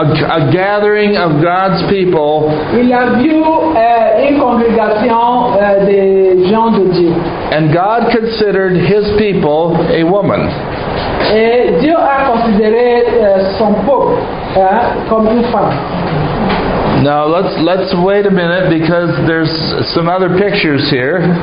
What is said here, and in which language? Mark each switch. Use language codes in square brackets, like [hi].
[en] A gathering of God's people. [fr] Il a vu une congrégation des gens de Dieu. [en] And God considered his people a woman. [fr] Et Dieu a considéré son peuple comme une femme. [en] Now let's wait a minute because there's some other pictures here.